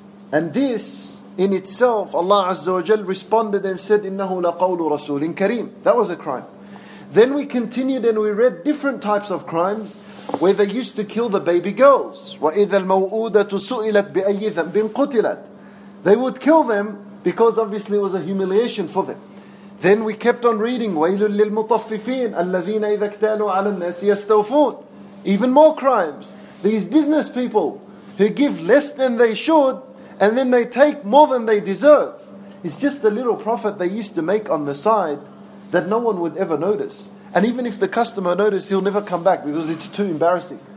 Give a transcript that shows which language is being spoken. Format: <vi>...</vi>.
<en>And this in itself, Allah Azza wa Jal responded and said,</en> <ar>إِنَّهُ لَقَوْلُ رَسُولٍ كَرِيمٍ.</ar> <en>That was a crime. Then we continued and we read different types of crimes where they used to kill the baby girls.</en> <ar>وَإِذَا الْمَوْؤُودَةُ سُئِلَتْ بِأَيِّ ذَنْبٍ قُتِلَتْ.</ar> <en>They would kill them because obviously it was a humiliation for them. Then we kept on reading,</en> <ar>وَيْلٌ لِلْمُطَفِّفِينَ الَّذِينَ إِذَا اكْتَالُوا عَلَى النَّاسِ يَسْتَوْفُونَ.</ar> <en>Even more crimes. These business people who give less than they should and then they take more than they deserve. It's just the little profit they used to make on the side that no one would ever notice. And even if the customer notices, he'll never come back because it's too embarrassing.</en>